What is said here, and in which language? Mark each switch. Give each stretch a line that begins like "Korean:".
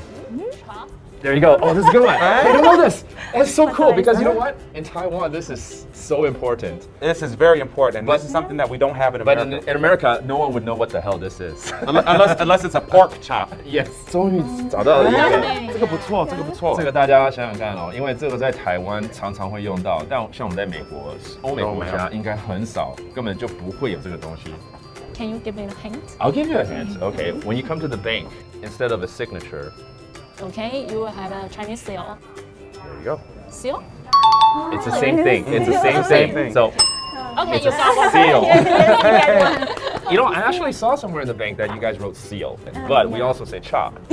English: mm-hmm. there you go oh this is a good one I don't know this it's so cool because you know what in Taiwan this is so important this is very important but, this is something that we don't have in America but in America no one would know what the hell this is unless it's a pork chop yes
Chinese: 终于找到了一个这个不错这个不错这个大家想想看哦因为这个在台湾常常会用到但像我们在美国欧美国家应该很少根本就不会有这个东西
English: can you give me a hint I'll give you a hint okay when you come to the bank instead of a signature okay you will have a Chinese seal there you go seal It's the same thing. It's the same thing. So, okay, it's a seal. Yes, yes, yes. You know, I actually saw somewhere in the bank that you guys wrote seal, but we also say chop.